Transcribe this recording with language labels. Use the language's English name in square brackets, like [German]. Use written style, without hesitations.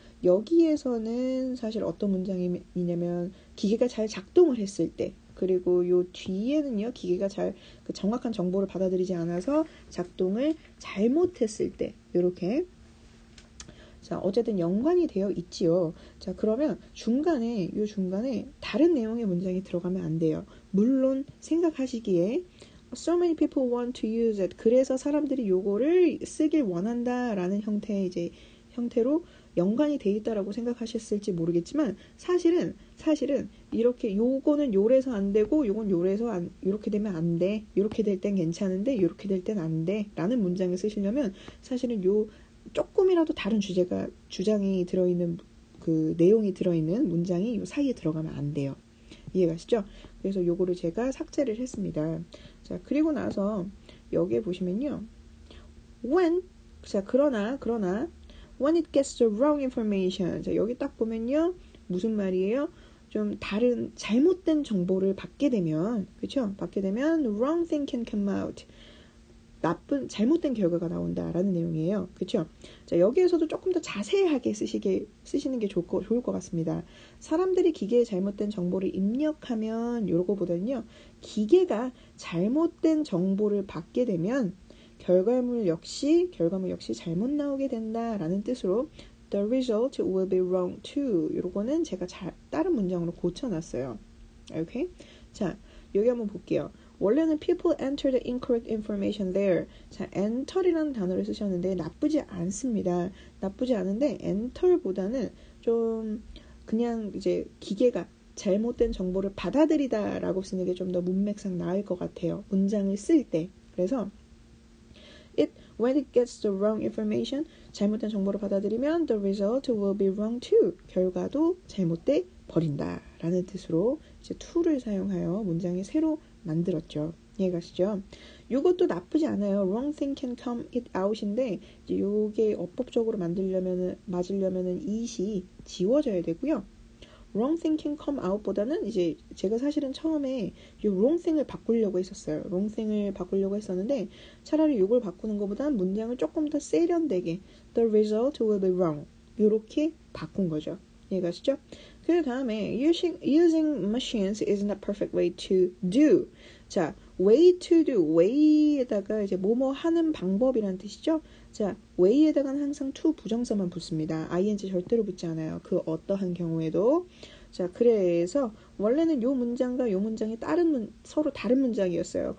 [Korean] 여기에서는 사실 어떤 문장이냐면 기계가 잘 작동을 했을 때 그리고 요 뒤에는요 기계가 잘 그 정확한 정보를 받아들이지 않아서 작동을 잘못했을 때 요렇게 자, 어쨌든 연관이 되어 있지요. 자, 그러면 중간에 요 중간에 다른 내용의 문장이 들어가면 안 돼요. [English] 물론 생각하시기에 So many people want to use it. [Korean] 그래서 사람들이 요거를 쓰길 원한다 라는 형태로 연관이 돼 있다라고 생각하셨을지 모르겠지만 사실은 이렇게 요거는 요래서 안 되고 요건 요래서 안, 요렇게 되면 안 돼. 요렇게 될 땐 괜찮은데 요렇게 될 땐 안 돼. 라는 문장을 쓰시려면 사실은 요 조금이라도 다른 주장이 들어있는 그 내용이 들어있는 문장이 요 사이에 들어가면 안 돼요. 이해가시죠? 그래서 요거를 제가 삭제를 했습니다. 자, 그리고 나서 여기에 보시면요. [English] When, 자, 그러나, when it gets the wrong information. [Korean] 자, 여기 딱 보면요. 무슨 말이에요? 좀 다른, 잘못된 정보를 받게 되면, 그쵸? [English] 받게 되면, wrong thing can come out. [Korean] 나쁜, 잘못된 결과가 나온다라는 내용이에요. 그쵸? 자, 여기에서도 조금 더 자세하게 쓰시는 게 좋을 것 같습니다. 사람들이 기계에 잘못된 정보를 입력하면, 요거보다는요, 기계가 잘못된 정보를 받게 되면, 결과물 역시 잘못 나오게 된다라는 뜻으로, the result will be wrong too. 요거는 제가 다른 문장으로 고쳐놨어요. [English] Okay? 자, 여기 한번 볼게요. 원래는 people enter the incorrect information there. [Korean] 자, enter이라는 단어를 쓰셨는데 나쁘지 않습니다. 나쁘지 않은데 enter보다는 좀 그냥 이제 기계가 잘못된 정보를 받아들이다 라고 쓰는 게 좀 더 문맥상 나을 것 같아요. 문장을 쓸 때. [English] 그래서 when it gets the wrong information, 잘못된 정보를 받아들이면 the result will be wrong too. [Korean] 결과도 잘못돼 버린다 라는 뜻으로 이제 to를 사용하여 문장이 새로 만들었죠. 이해가시죠? 요것도 나쁘지 않아요. wrong thing can come it out 인데 요게 어법적으로 맞으려면은 is이 지워져야 되고요. wrong thing can come out 보다는 이제 제가 사실은 처음에 이 wrong thing을 바꾸려고 했었어요. wrong thing을 바꾸려고 했었는데 차라리 이걸 바꾸는 것보다는 문장을 조금 더 세련되게 the result will be wrong 이렇게 바꾼 거죠. 이해가시죠? [English] 그 다음에 using machines is not perfect way to do. [Korean] 자, way to do, way에다가 이제 뭐뭐 하는 방법이라는 뜻이죠. 자, way에다가는 항상 to 부정사만 붙습니다. ing 절대로 붙지 않아요. 그 어떠한 경우에도. 자, 그래서 원래는 요 문장과 요 문장이 서로 다른 문장이었어요.